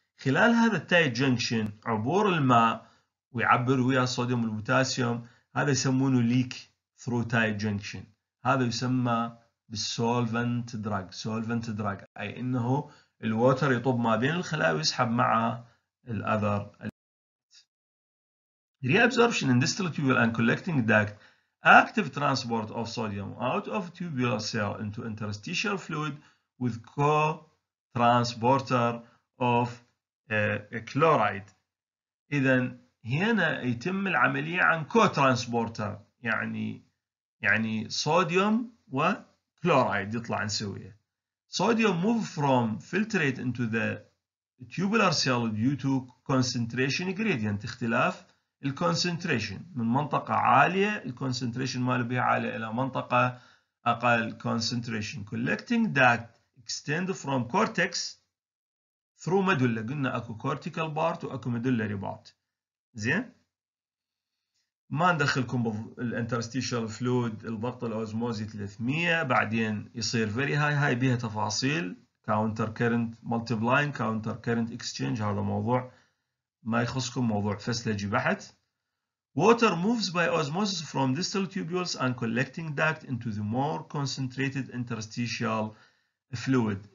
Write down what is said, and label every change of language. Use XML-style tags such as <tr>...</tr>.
<ar>خلال هذا التايت جنكشن عبور الماء ويعبر ويا الصوديوم والبوتاسيوم، هذا يسمونه ليك ثرو تايت جنكشن، هذا يسمى بالسولفنت دراج. سولفنت دراج اي انه الووتر يطب ما بين الخلايا ويسحب مع الاذر.</ar> <en>Reabsorption in distal tubule and collecting duct, active transport of sodium out of tubular cell into interstitial fluid with co-transporter of chloride.</en> <ar>اذا هنا يتم العملية عن co-transporter، يعني صوديوم وكلورايد يطلع نسويه. صوديوم</ar> <en>move from filtrate into the tubular cell due to concentration gradient،</en> <ar>اختلاف الconcentration من منطقة عالية الconcentration ماله بها عالية إلى منطقة أقل concentration.</ar> <en>collecting duct extend from cortex through medulla، قلنا أكو cortical part وأكو medullary part، زين.</en> <ar>ما ندخلكم بالانترستيشال فلويد الضغط الاوزموزي 300 بعدين يصير فيري هاي، هاي بيها تفاصيل كاونتر كيرنت مالتي بلاين كاونتر كيرنت اكسشينج، هذا موضوع ما يخصكم، موضوع فسلجي بحت.</ar> <en>Water moves by osmosis from distal tubules and collecting duct into the more concentrated interstitial fluid.</en>